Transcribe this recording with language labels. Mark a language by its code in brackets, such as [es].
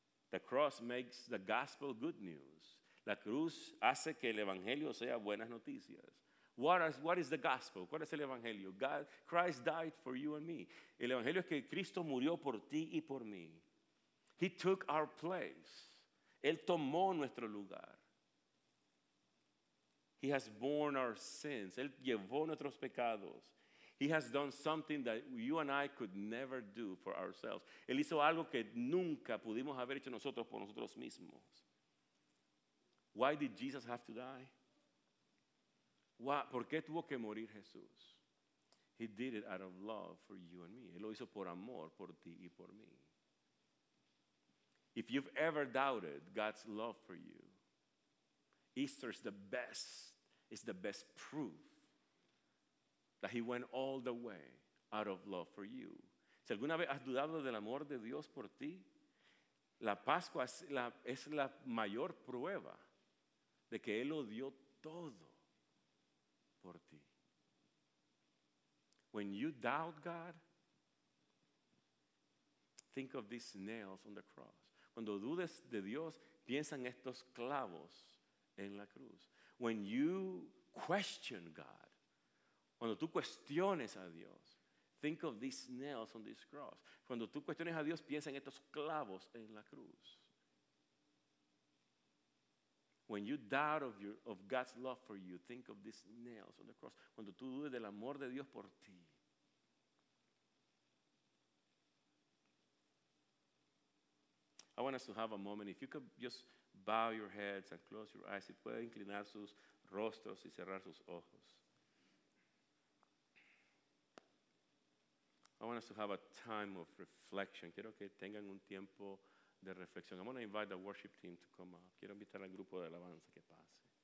[en] The cross makes the gospel good news. [es] La cruz hace que el evangelio sea buenas noticias. [en] What is the gospel? [es] ¿Cuál es el evangelio? [en] Christ died for you and me. [es] El evangelio es que Cristo murió por ti y por mí. [en] He took our place. [es] Él tomó nuestro lugar. [en] He has borne our sins. [es] Él llevó nuestros pecados. [en] He has done something that you and I could never do for ourselves. [es] Él hizo algo que nunca pudimos haber hecho nosotros por nosotros mismos. [en] Why did Jesus have to die? [es] ¿Por qué tuvo que morir Jesús? [en] He did it out of love for you and me. [es] Él lo hizo por amor, por ti y por mí. [en] If you've ever doubted God's love for you, Easter is the best. It's the best proof that he went all the way out of love for you. [es] Si alguna vez has dudado del amor de Dios por ti, la Pascua es la mayor prueba de que él lo dio todo por ti. [en] When you doubt God, think of these nails on the cross. [es] Cuando dudes de Dios, piensa en estos clavos en la cruz. [en] When you question God, [es] cuando tú cuestiones a Dios, [en] think of these nails on this cross. [es] Cuando tú cuestiones a Dios, piensa en estos clavos en la cruz. [en] When you doubt of God's love for you, think of these nails on the cross. [es] Cuando tú dudes del amor de Dios por ti, [en] I want us to have a moment. If you could just bow your heads and close your eyes. [es] Si puede inclinar sus rostros y cerrar sus ojos. [en] I want us to have a time of reflection. [es] Quiero que tengan un tiempo de reflexión. [en] I want to invite the worship team to come up. [es] Quiero invitar al grupo de alabanza que pase.